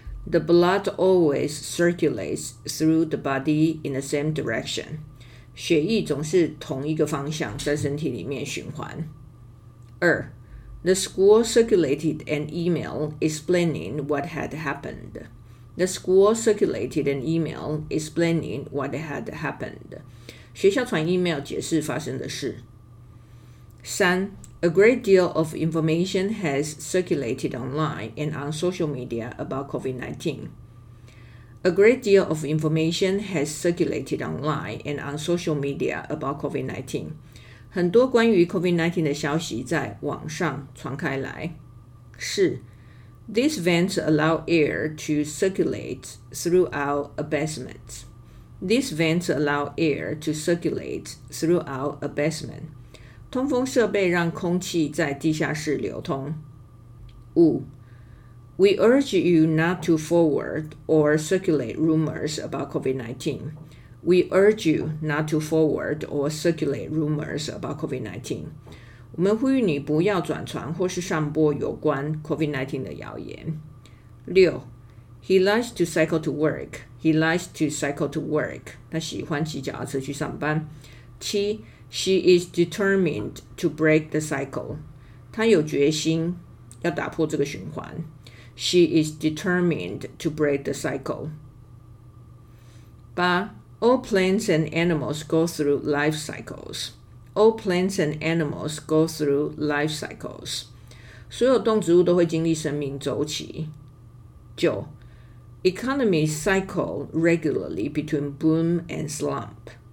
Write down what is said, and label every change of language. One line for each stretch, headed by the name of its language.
English: The blood always circulates through the body in the same direction.
Chinese: 血液总是同一个方向在身体里面循环。
English: 二， The school circulated an email explaining what had happened. The school circulated an email explaining what had happened.
Chinese: 学校传 email 解释发生的事。
English: 三， A great deal of information has circulated online and on social media about COVID-19. A great deal of information has circulated online and on social media about COVID-19.
Chinese: 很多关于 COVID-19 的消息在网上传开来。
English: 四，These vents allow air to circulate throughout a basement. These vents allow air to circulate throughout a basement.
Chinese: 通风设备让空气在地下室流通。
English: 五， We urge you not to forward or circulate rumors about COVID-19. We urge you not to forward or circulate rumors about COVID-19.
Chinese: 我们呼吁你不要转传或是散播有关 COVID-19 的谣言。
English: 六， He likes to cycle to work. He likes to cycle to work.
Chinese: 他喜欢骑脚踏车去上班。
English: 七， She is determined to break the cycle.
Chinese: 她有决心要打破这个循环。
English: She is determined to break the cycle. 八 All plants and animals go through life cycles. All plants and animals go through life cycles.
Chinese: 所有动植物都会经历生命周期。
English: 九 Economies cycle regularly between boom and slump.